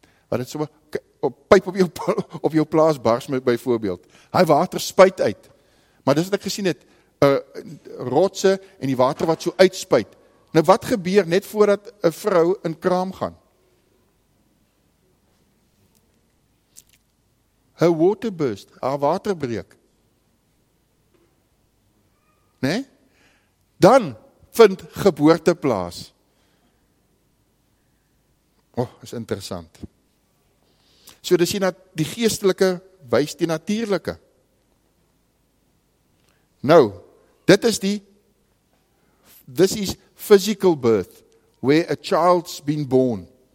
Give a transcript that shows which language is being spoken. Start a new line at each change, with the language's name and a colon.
Afrikaans: Wat het so, pyp op jou plaas bars met by voorbeeld. Hy water spuit uit. Maar dis wat ek gesien het, rotse en die water wat so uitspuit. Nou wat gebeur net voordat 'n vrou in kraam gaan?
English: Her water burst,
Afrikaans: haar water breek. Nee? Dan vind geboorte plaas. Oh, is interessant. So dis hier na die geestelike wys die natuurlike. Nou, dit is die
English: this is physical birth where a child's been born.